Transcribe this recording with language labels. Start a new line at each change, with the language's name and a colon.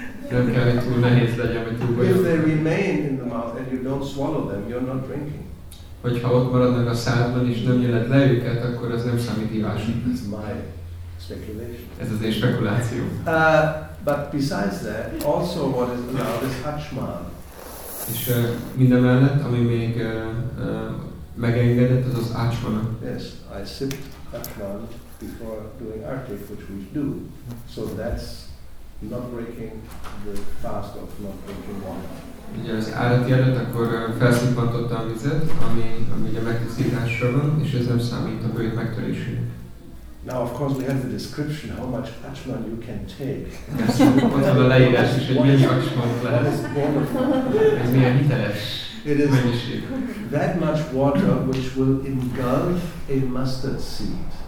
English: If they remain in the mouth and you don't swallow them, you're not drinking.
Hungarian: Hogyha ott maradnak a szádban és nem jeled le őket, akkor ez nem számít ivásnak.
English: That's my speculation.
Hungarian: Ez az én spekuláció.
English: But besides that, also what is allowed is hachman.
Hungarian: És mindemellett, ami még megengedett, az az hachmana.
English: Yes, I sip hachman before doing artik, which we do. So that's not breaking the fast of not drinking water.
Hungarian: Ugye az állati előtt akkor felszippantotta a vizet, ami ugye megtisztításra van, és ez nem számít a bőjt megtörésének.
English: Now of course we have the description how much achman you can take.
Hungarian: Ott van a leírás is, hogy milyen achmant lehet. Ez milyen hiteles mennyiség.
English: That much water which will engulf a mustard seed.